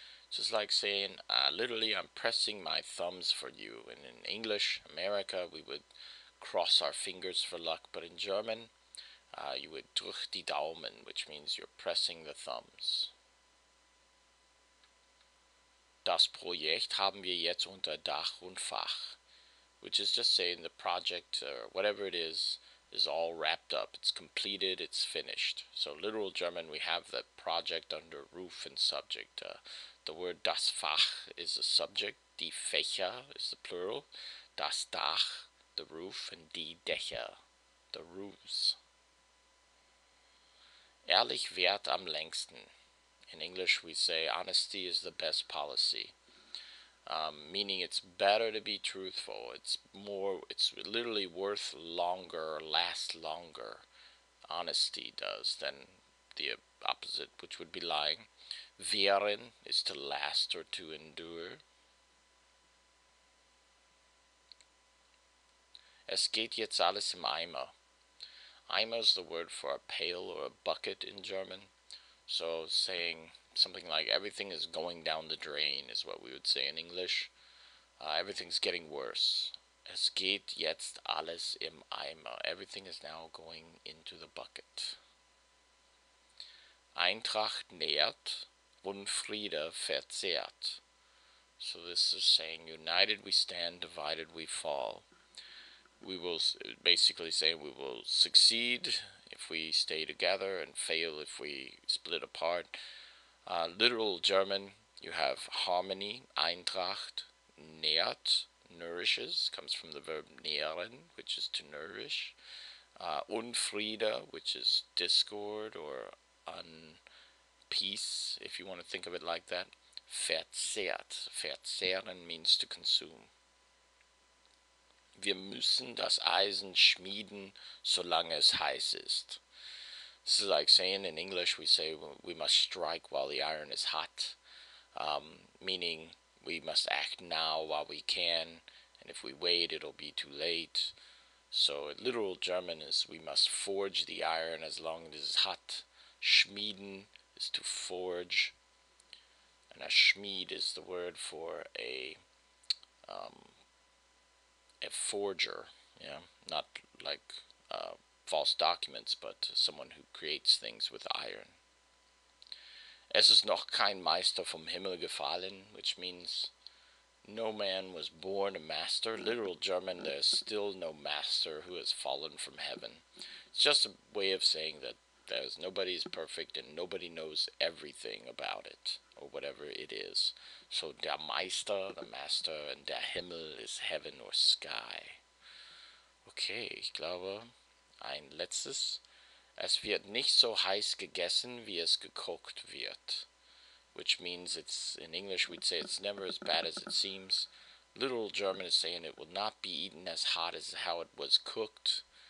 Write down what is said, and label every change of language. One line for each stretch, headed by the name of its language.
English: Just like saying, literally, I'm pressing my thumbs for you. And in English, America, we would cross our fingers for luck, but in German, you would
German: drück die Daumen,
English: which means you're pressing the thumbs.
German: Das Projekt haben wir jetzt unter Dach und Fach.
English: Which is just saying the project or whatever it is all wrapped up. It's completed, it's finished. So literal German, we have the project under roof and subject. The word das Fach is a subject, die Fächer is the plural, das Dach, the roof, and die Dächer, the roofs.
German: Ehrlich währt am längsten.
English: In English we say honesty is the best policy. Meaning it's better to be truthful. It's literally worth longer, last longer. Honesty does than the opposite, which would be lying. Währen is to last or to endure.
German: Es geht jetzt alles im Eimer.
English: Eimer is the word for a pail or a bucket in German. So saying something like everything is going down the drain is what we would say in English. Everything's getting worse.
German: Es geht jetzt alles im Eimer.
English: Everything is now going into the bucket.
German: Eintracht nährt, Unfriede verzehrt.
English: So this is saying united we stand, divided we fall. We will basically say we will succeed if we stay together and fail if we split apart. Literal German, you have harmony, Eintracht, nährt, nourishes, comes from the verb nähren, which is to nourish. Unfriede, which is discord or unpeace, if you want to think of it like that. Verzehrt, verzehren means to consume.
German: Wir müssen das Eisen schmieden, solange es heiß ist.
English: This is like saying in English, we say we must strike while the iron is hot, meaning we must act now while we can, and if we wait, it'll be too late. So, in literal German is we must forge the iron as long as it is hot. Schmieden is to forge, and a schmied is the word for a forger, yeah, not like false documents, but someone who creates things with iron.
German: Es ist noch kein Meister vom Himmel gefallen,
English: which means no man was born a master. Literal German, there's still no master who has fallen from heaven. It's just a way of saying that there's nobody is perfect and nobody knows everything about it, or whatever it is. So der Meister, the master, and der Himmel is heaven or sky.
German: Okay, ich glaube, ein letztes. Es wird nicht so heiß gegessen, wie es gekocht wird.
English: Which means it's, in English we'd say it's never as bad as it seems. Literal German is saying it will not be eaten as hot as how it was cooked.